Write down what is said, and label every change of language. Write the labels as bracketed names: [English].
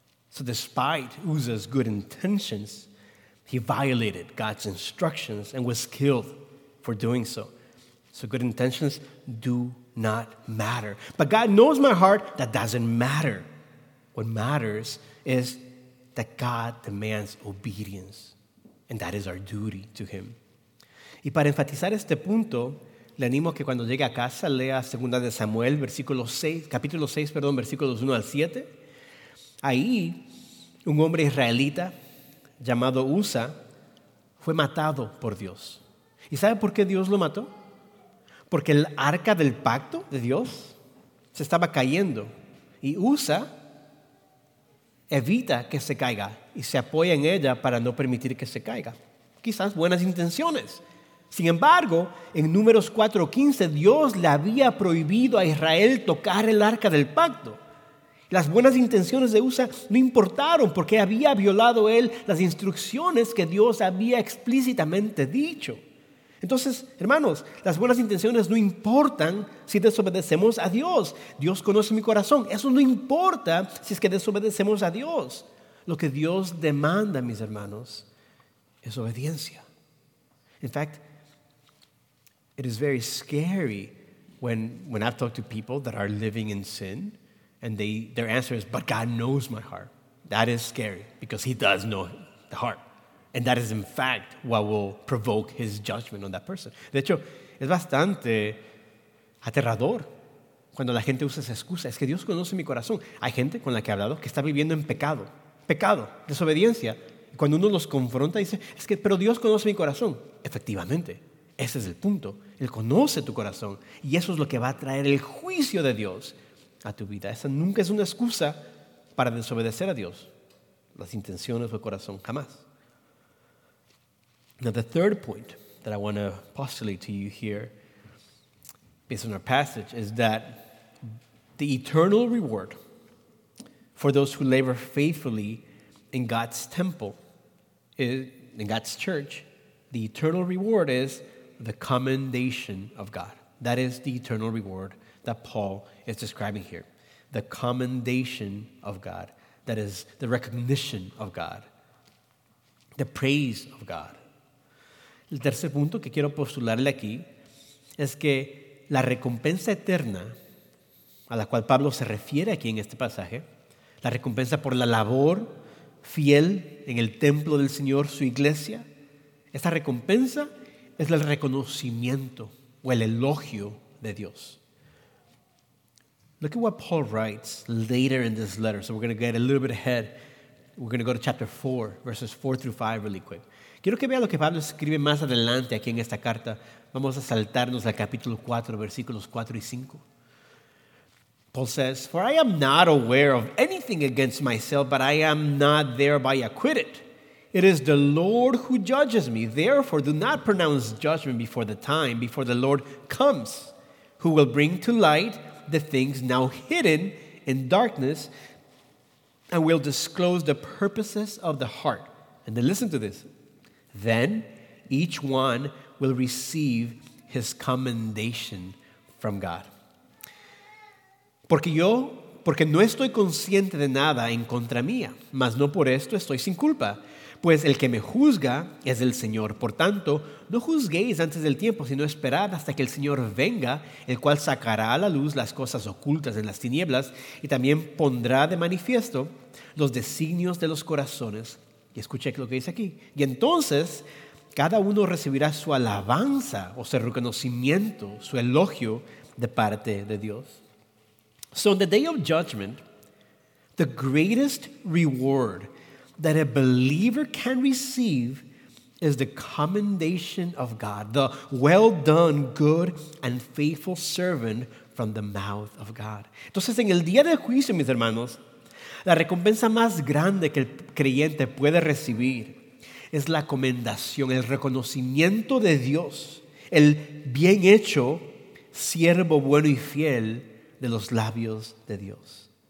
[English] So despite Uzzah's good intentions, he violated God's instructions and was killed for doing so. So good intentions do not matter. But God knows my heart, that doesn't matter. What matters is that God demands obedience, and that is our duty to him. [Spanish] Y para enfatizar este punto, le animo que cuando llegue a casa lea 2 Samuel, versículo 6, capítulo 6, perdón, versículos 1 al 7. Ahí, un hombre israelita llamado Uzzah fue matado por Dios. ¿Y sabe por qué Dios lo mató? Porque el arca del pacto de Dios se estaba cayendo. Y Uzzah evita que se caiga y se apoya en ella para no permitir que se caiga. Quizás buenas intenciones. Sin embargo, en Números 4:15, Dios le había prohibido a Israel tocar el arca del pacto. Las buenas intenciones de Uzzah no importaron porque había violado él las instrucciones que Dios había explícitamente dicho. Entonces, hermanos, las buenas intenciones no importan si desobedecemos a Dios. Dios conoce mi corazón. Eso no importa si es que desobedecemos a Dios. Lo que Dios demanda, mis hermanos, es obediencia. [English] In fact, it is very scary when I've talked to people that are living in sin and their answer is, but God knows my heart. That is scary because he does know the heart. And that is, in fact, what will provoke his judgment on that person. [Spanish] De hecho, es bastante aterrador cuando la gente usa esa excusa. Es que Dios conoce mi corazón. Hay gente con la que he hablado que está viviendo en pecado. Pecado, desobediencia. Y cuando uno los confronta, dice, es que, pero Dios conoce mi corazón. Efectivamente, ese es el punto. Él conoce tu corazón. Y eso es lo que va a traer el juicio de Dios a tu vida. Esa nunca es una excusa para desobedecer a Dios. Las intenciones o el corazón, jamás. [English] Now, the third point that I want to postulate to you here, based on our passage, is that the eternal reward for those who labor faithfully in God's temple, in God's church, the eternal reward is the commendation of God. That is the eternal reward that Paul is describing here. The commendation of God. That is the recognition of God. The praise of God. [Spanish] El tercer punto que quiero postularle aquí es que la recompensa eterna a la cual Pablo se refiere aquí en este pasaje, la recompensa por la labor fiel en el templo del Señor, su iglesia, esta recompensa es el reconocimiento o el elogio de Dios. [English] Look at what Paul writes later in this letter. So we're going to get a little bit ahead. We're going to go to chapter 4, verses 4 through 5 really quick. [Spanish] Quiero que vea lo que Pablo escribe más adelante aquí en esta carta. Vamos a saltarnos al capítulo 4, versículos 4 y 5. [English] Paul says, "For I am not aware of anything against myself, but I am not thereby acquitted. It is the Lord who judges me. Therefore, do not pronounce judgment before the time, before the Lord comes, who will bring to light the things now hidden in darkness and will disclose the purposes of the heart." And then listen to this. "Then each one will receive his commendation from God." [Spanish] Porque no estoy consciente de nada en contra mía, mas no por esto estoy sin culpa, pues el que me juzga es el Señor. Por tanto, no juzguéis antes del tiempo, sino esperad hasta que el Señor venga, el cual sacará a la luz las cosas ocultas en las tinieblas y también pondrá de manifiesto los designios de los corazones. Y escuché lo que dice aquí. Y entonces, cada uno recibirá su alabanza, o su reconocimiento, su elogio de parte de Dios. [English] So on the day of judgment, the greatest reward that a believer can receive is the commendation of God, the well done, good and faithful servant from the mouth of God. [Spanish] Entonces, en el día del juicio, mis hermanos, la recompensa más grande que el creyente puede recibir es la comendación, el reconocimiento de Dios, el bien hecho siervo bueno y fiel de los labios de Dios.